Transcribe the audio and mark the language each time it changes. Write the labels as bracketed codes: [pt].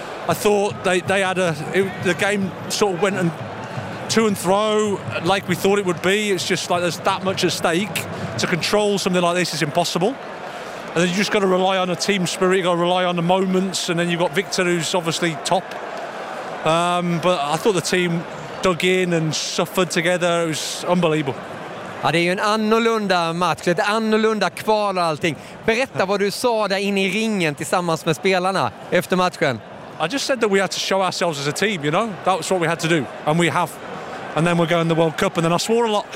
[en] I thought they had the game sort of went and to and throw like we thought it would be. It's just like there's that much at stake. To control something like this is impossible. And then you just got to rely on a team spirit, you got to rely on the moments, and then you've got Victor, who's obviously top. But I thought the team dug in and suffered together. It was unbelievable. [sv] Ja, det är ju en annorlunda match, ett annorlunda kval och allting. Berätta vad du sa där inne i ringen tillsammans med spelarna efter matchen. [en] I just said that we had to show ourselves as a team, you know? That was what we had to do, and we have. And then we're going to the World Cup, and then I swore a lot.